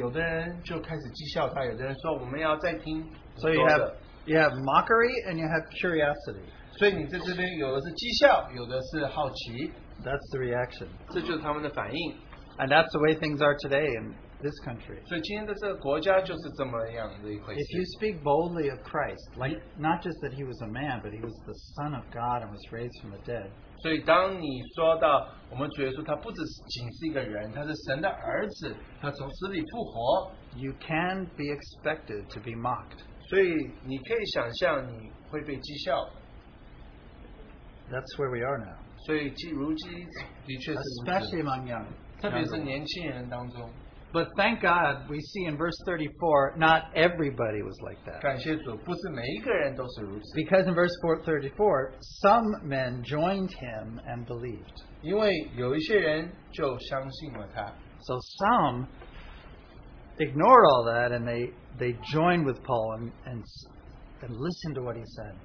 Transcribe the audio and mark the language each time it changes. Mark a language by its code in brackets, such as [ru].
[zh] 他们听到从死里复活，有的人就开始讥笑他，有的人说我们要再听。 [en] So you have. You have mockery and you have curiosity. [zh] 所以你在这边有的是讥笑，有的是好奇。 [en] That's the reaction. [zh] 这就是他们的反应。 [en] And that's the way things are today in this country. [zh] 所以今天的这个国家就是这么样的一回事。 [en] If you speak boldly of Christ, like not just that he was a man, but he was the Son of God and was raised from the dead. [zh] 所以当你说到我们主耶稣，他不只是仅是一个人，他是神的儿子，他从死里复活。 [en] You can be expected to be mocked. [zh] 所以你可以想象你会被讥笑。 [en] That's where we are now. [zh] 所以基如基的确是如此。 [en] Especially among young, [zh] 特别是年轻人当中。 [en] But thank God, we see in verse 34, not everybody was like that. [zh] 感谢主，不是每一个人都是如此。 [en] Because in verse 34, some men joined him and believed. [zh] 因为有一些人就相信了他。 [en] So some ignored all that and they joined with Paul and listened to what he said.